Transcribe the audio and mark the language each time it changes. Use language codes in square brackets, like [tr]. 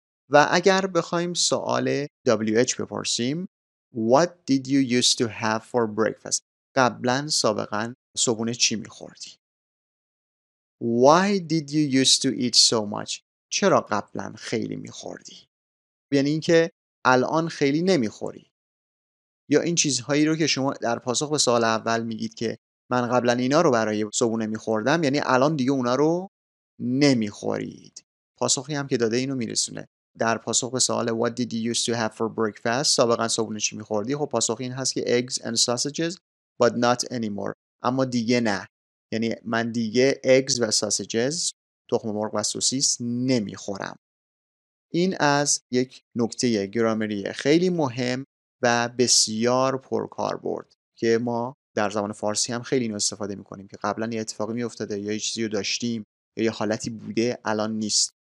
[fa] و اگر بخوایم سوال WH بپرسیم [en] What did you used to have for breakfast؟ [fa] قبلن سابقاً صبحونه چی می خوردی؟ [en] Why did you used to eat so much؟ [fa] چرا قبلا خیلی میخوردی؟ یعنی این که الان خیلی نمیخوری. یا این چیزهایی رو که شما در پاسخ به سوال اول میگید که من قبلا اینا رو برای صبحونه میخوردم، یعنی الان دیگه اونا رو نمیخورید. پاسخی هم که داده اینو میرسونه. در پاسخ به سوال [en] What did you used to have for breakfast؟ [fa] سابقا صبحونه چی میخوردی؟ خب پاسخ این هست که [en] Eggs and sausages but not anymore. [fa] اما دیگه نه. یعنی من دیگه eggs و sausages، تخم مرغ و سوسیس نمیخورم. این از یک نکته گرامری خیلی مهم و بسیار پرکاربرد که ما در زبان فارسی هم خیلی اینو استفاده میکنیم که قبلا یه اتفاقی میافتاده یا یه چیزی رو داشتیم یا یه حالتی بوده الان نیست.